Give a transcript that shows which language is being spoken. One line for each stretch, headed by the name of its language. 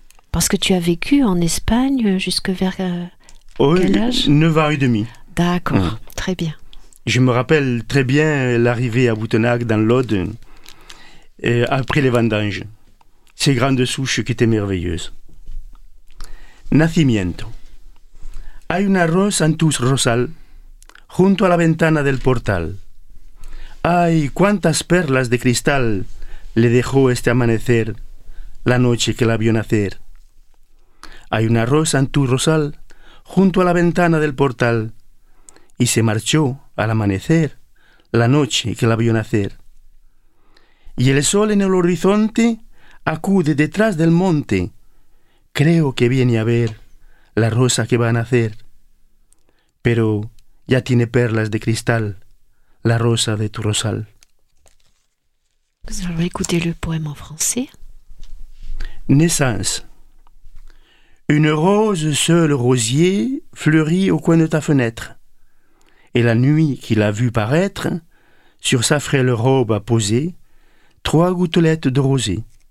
French: Parce que tu as vécu en Espagne jusque vers quel âge ? 9 ans et demi. D'accord, ouais. Très bien. Je me rappelle très bien l'arrivée à Boutenac dans l'Aude, après les vendanges. Ces grandes souches qui étaient merveilleuses.
Spanish: Nacimiento. Hay una rosa en tu rosal, junto a la ventana del portal. Ay, cuántas perlas de cristal le dejó este amanecer, la noche que la vio nacer. Hay una rosa en tu rosal, junto a la ventana del portal. Y se marchó al amanecer, la noche que la vio nacer. Y el sol en el horizonte acude detrás del monte. Creo que viene a ver la rosa que va a nacer. Pero ya tiene perlas de cristal la rosa de tu rosal.
French: Vous allez écouter le poème en français. Naissance. Une rose seule rosier fleurit au coin de ta fenêtre. Et la nuit qui l'a vue paraître, sur sa frêle robe a posé trois gouttelettes de rosée.